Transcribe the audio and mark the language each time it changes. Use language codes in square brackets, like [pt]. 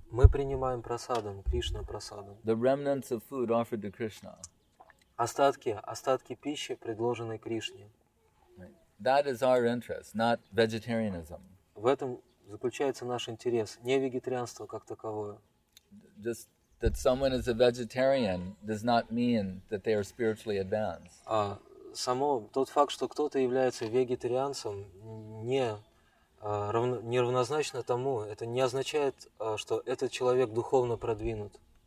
[ru] Мы принимаем просадом, Кришна просадом. [en] The remnants of food offered to Krishna. [ru] Остатки пищи, предложенной Кришне. [en] That is our interest, not vegetarianism. [ru] В этом заключается наш интерес, не вегетарианство как таковое. [en] Just that someone is a vegetarian does not mean that they are spiritually advanced. [ru] Тот факт, что кто-то является вегетарианцем, не равнозначно тому, это не означает, что этот человек духовно продвинут.